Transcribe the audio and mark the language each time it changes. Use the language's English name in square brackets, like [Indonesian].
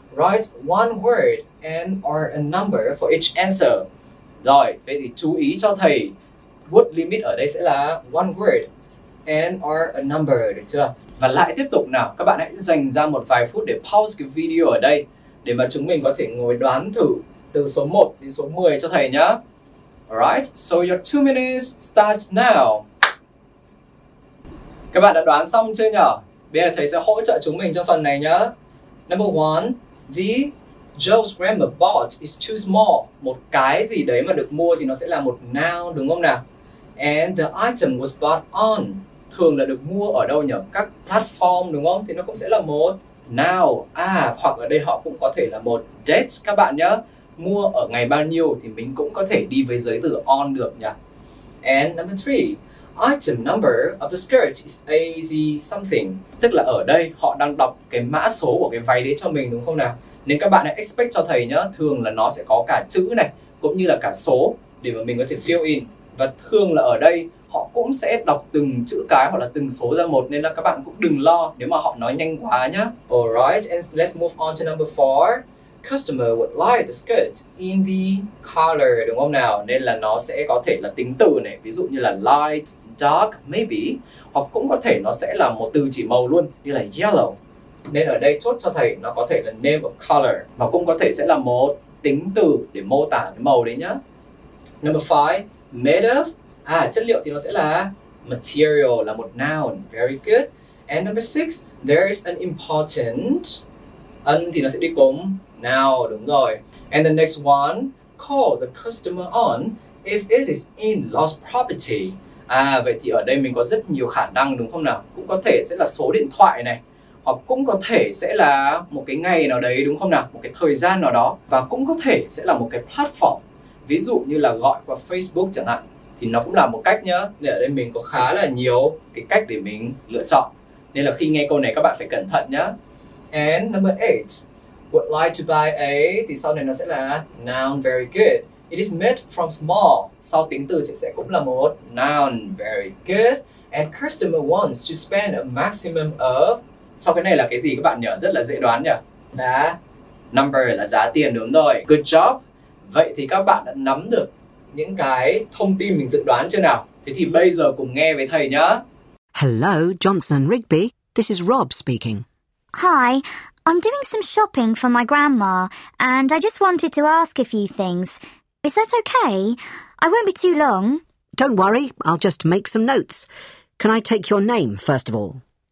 [English] Write one word and or a number for each answer. [Vietnamese] Rồi, vậy thì chú ý cho thầy. Word limit ở đây sẽ là [English] one word and or a number, [Vietnamese] được chưa? Và lại tiếp tục nào, các bạn hãy dành ra một vài phút để pause cái video ở đây để mà chúng mình có thể ngồi đoán thử từ số 1 đến số 10 cho thầy nhá. [English] Alright, so your 2 minutes start now. [Vietnamese] Các bạn đã đoán xong chưa nhỉ? Bây giờ thầy sẽ hỗ trợ chúng mình trong phần này nhá. [English] Number 1, the Joe's grammar bought is too small. [Vietnamese] Một cái gì đấy mà được mua thì nó sẽ là một noun, đúng không nào? [English] And the item was bought on. [Vietnamese] Thường là được mua ở đâu nhỉ? Các platform, đúng không? Thì nó cũng sẽ là một noun. Hoặc ở đây họ cũng có thể là một date các bạn nhá. Mua ở ngày bao nhiêu thì mình cũng có thể đi với giới từ on được nhỉ? [English] And number 3, item number of the skirt is AZ something. [Vietnamese] Tức là ở đây họ đang đọc cái mã số của cái váy đấy cho mình, đúng không nào? Nên các bạn hãy expect cho thầy nhá, thường là nó sẽ có cả chữ này cũng như là cả số để mà mình có thể fill in. Và thường là ở đây họ cũng sẽ đọc từng chữ cái hoặc là từng số ra một, nên là các bạn cũng đừng lo nếu mà họ nói nhanh quá nhá. [English] Alright, and let's move on to number 4. Customer would like the skirt in the color, [Vietnamese] đúng không nào? Nên là nó sẽ có thể là tính từ này, ví dụ như là light, dark, maybe. Hoặc cũng có thể nó sẽ là một từ chỉ màu luôn, như là yellow. Nên ở đây chốt cho thầy nó có thể là name of color và cũng có thể sẽ là một tính từ để mô tả cái màu đấy nhá. [English] Number 5, made of. [Vietnamese] Chất liệu thì nó sẽ là material, là một noun. [English] Very good. And number 6, there is an important. [Vietnamese] Ân thì nó sẽ đi cùng noun, đúng rồi. [English] And the next one, call the customer on if it is in lost property. [Vietnamese] Vậy thì ở đây mình có rất nhiều khả năng đúng không nào? Cũng có thể sẽ là số điện thoại này. Hoặc cũng có thể sẽ là một cái ngày nào đấy đúng không nào? Một cái thời gian nào đó. Và cũng có thể sẽ là một cái platform. Ví dụ như là gọi qua Facebook chẳng hạn. thì nó cũng là một cách nhá. Nên ở đây mình có khá là nhiều cái cách để mình lựa chọn. Nên là khi nghe câu này các bạn phải cẩn thận nhá. [English] And number 8, would like to buy a, [Vietnamese] thì sau này nó sẽ là noun [English] very good. It is made from small, [Vietnamese] sau tính từ sẽ cũng là một [English] noun very good. And customer wants to spend a maximum of, [Vietnamese] sau cái này là cái gì các bạn nhỉ? Rất là dễ đoán nhỉ? Là number, là giá tiền, đúng rồi. [English] Good job. [Vietnamese] Vậy thì các bạn đã nắm được những cái thông tin mình dự đoán chưa nào? Thế thì bây giờ cùng nghe với thầy nhá. [English] Hello, Johnson and Rigby. This is Rob speaking. Hi, I'm doing some shopping for my grandma and I just wanted to ask a few things. Is that okay? I won't be too long. Don't worry, I'll just make some notes. Can I take your name, first of all?